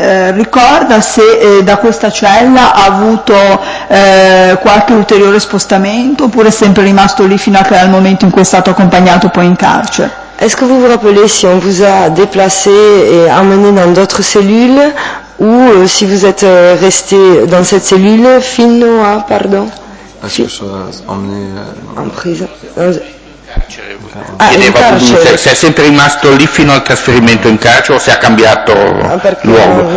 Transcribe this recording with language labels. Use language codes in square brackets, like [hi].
[it] Ricorda se da questa cella ha avuto qualche ulteriore spostamento oppure è sempre rimasto lì fino al momento in cui è stato accompagnato poi in carcere? [fr] Est-ce que vous vous rappelez si on vous a déplacé et amené dans d'autres cellules ou si vous êtes resté dans cette cellule [it] fino a, [fr] pardon? Est-ce que je suis emmené en prison? [it] Se è sempre rimasto lì fino al trasferimento in carcere o se ha cambiato luogo?